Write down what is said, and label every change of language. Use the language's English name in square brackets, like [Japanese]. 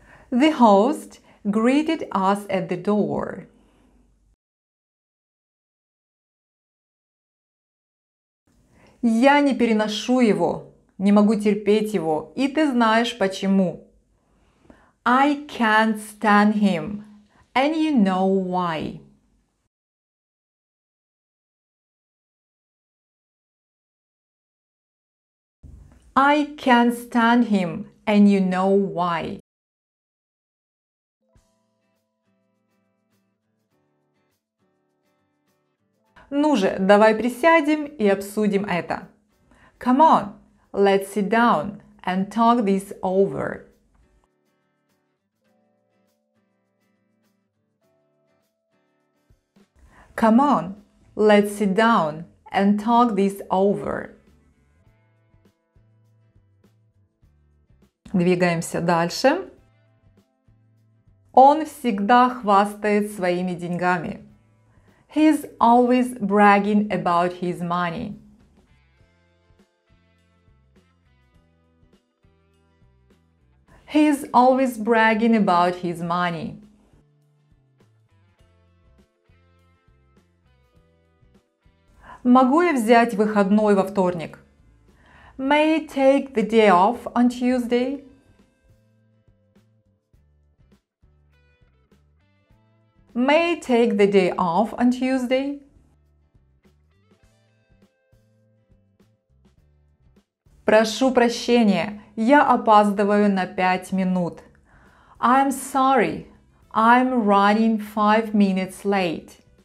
[English] The host greeted us at the door. [Russian] Я не переношу его, не могу терпеть его, и ты знаешь почему. [English] I can't stand him, and you know why. I can't stand him, and you know why. [Russian] Ну же, давай присядем и обсудим это. [English] Come on, let's sit down and talk this over. Come on, let's sit down and talk this over. [Russian] Двигаемся дальше. Он всегда хвастает своими деньгами. [English] He's always bragging about his money. He's always bragging about his money. [Russian] Могу я взять выходной во вторник? [English] May I take the day off on Tuesday? May I take the day off on Tuesday? [Russian] Прошу прощения, я опаздываю на 5 минут. [English] I'm sorry, I'm running 5 minutes late.